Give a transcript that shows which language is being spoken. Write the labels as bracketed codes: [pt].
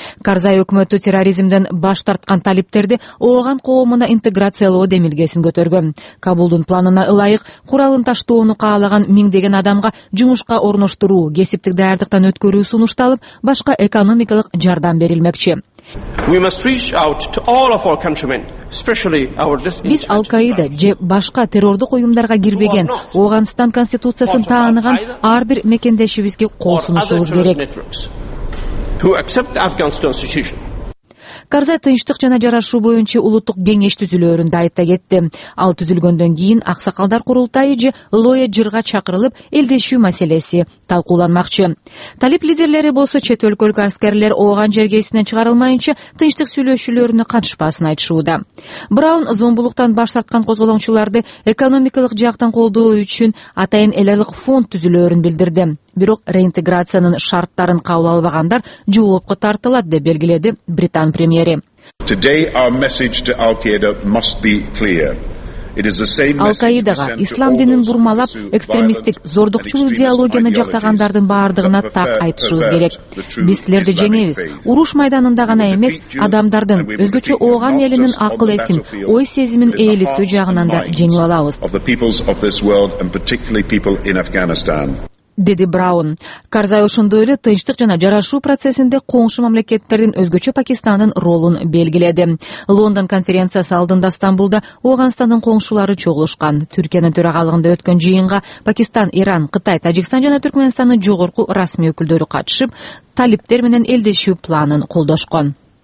[ky] Карзай өкмөтү терроризмден баш тарткан талиптерди ооган коомуна интеграциялоо демилгесин көтөргөн. Кабулдун планына ылайык, куралын таштоону каалаган миңдеген адамга жумушка орноштуруу, кесиптик даярдыктан өткөрүү сунушталып, башка экономикалык жардам берилмекчи. [en] We must reach out to all of our countrymen, especially our disinterested. [ky] Биз Ал-Каида же башка террордук уюмдарга кирбеген, Ооганстан конституциясын тааныган ар бир мекендешибизге кол сунушубуз керек. [en] To accept the Afghan constitution. [ky] Карзай тынчтык жана жарашуу боюнча улуттук кеңеш түзүлөөрүн дайыта кетти. Ал түзүлгөндөн кийин аксакалдар курултайы же лоя жырга чакырылып, элдешүү маселеси талкууланмакчы. Талип лидерлери болсо чет өлкөлүк аскерлер ооган жергесинен чыгарылмайынча тынчтык сүйлөшүүлөрүнө катышпасын айтышууда. Браун зомбулуктан баш тарткан козголоңчуларды экономикалык жактан колдоо үчүн атайын эл алык фонд түзүлөөрүн билдирди. Бирок реинтеграциянын шарттарын кабыл албагандар жоопко тартылат деп белгиледи британ премьери. [en] Today our message to Al-Qaeda must be clear. It is the same message. [ky] Al-Qaeda'га ислам динин бурмалап, экстремисттик зордукчулук идеологияны жактагандардын баардыгына так айтышыбыз керек. Биз силерди жеңебиз. Уруш майданында гана эмес, адамдардын, өзгөчө ооган элинин акыл эсин, ой сезимин ээликтүү жагынан да жеңип алабыз. [en] Of the peoples of this world and particularly people in Afghanistan. [ky] Деди Браун. Карзай ошондой эле тынчтык жана жарашуу процессинде коңшу мамлекеттердин өзгөчө Пакистандын ролун белгиледи. Лондон конференциясы алдында Стамбулда Ооганстандын коңшулары чогулушкан. Түркиянын төрагалыгында өткөн жыйынга Пакистан, Иран, Кытай, Тажикстан жана Түркмөнстандын жогорку расмий өкүлдөрү катышып, талиптер менен элдешүү планын колдошкон.